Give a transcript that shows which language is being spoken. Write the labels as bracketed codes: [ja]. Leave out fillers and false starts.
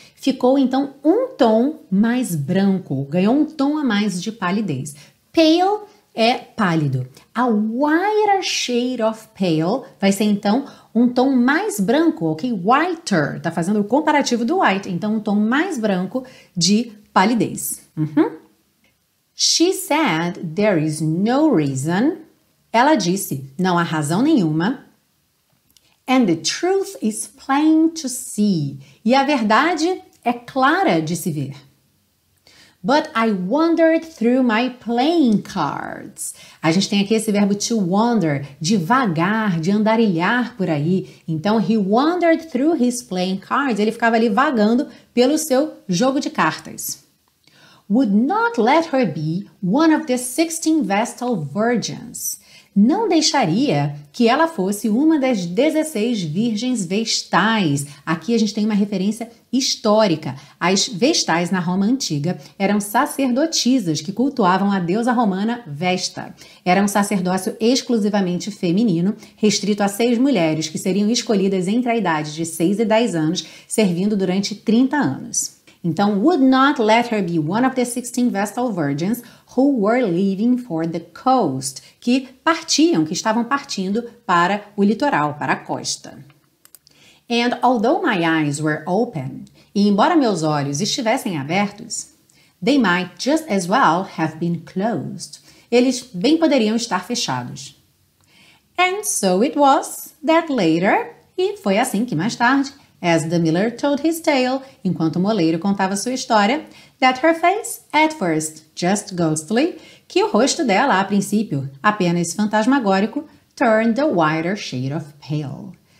[pt] ficou então um tom mais branco, ganhou um tom a mais de palidez. Pale é pálido. [en] A whiter shade of pale [pt] vai ser então um tom mais branco, ok? Whiter, tá fazendo o comparativo do white, então um tom mais branco de palidez. Uhum. [en] She said there is no reason. [pt] Ela disse, não há razão nenhuma. [en] And the truth is plain to see. [pt] E a verdade é clara de se ver. [en] But I wandered through my playing cards. [pt] A gente tem aqui esse verbo to wander, de vagar, de andarilhar por aí. Então, [en] he wandered through his playing cards. [pt] Ele ficava ali vagando pelo seu jogo de cartas. [en] Would not let her be one of the 16 Vestal Virgins. [pt] Não deixaria que ela fosse uma das 16 virgens vestais. Aqui a gente tem uma referência histórica. As vestais na Roma antiga eram sacerdotisas que cultuavam a deusa romana Vesta. Era um sacerdócio exclusivamente feminino, restrito a 6 mulheres que seriam escolhidas entre a idade de 6 e 10 anos, servindo durante 30 anos. Então, [en] would not let her be one of the 16 Vestal Virgins who were leaving for the coast, [pt] que partiam, que estavam partindo para o litoral, para a costa. [en] And although my eyes were open, [pt] e embora meus olhos estivessem abertos, [en] they might just as well have been closed. [pt] Eles bem poderiam estar fechados. [en] And so it was that later, [pt] e foi assim que mais tarde, [en] as the miller told his tale, [pt] enquanto o moleiro contava sua história, [en] that her face, at first, just ghostly, [pt] que o rosto dela, a princípio, apenas fantasmagórico, [en] turned a whiter shade of pale.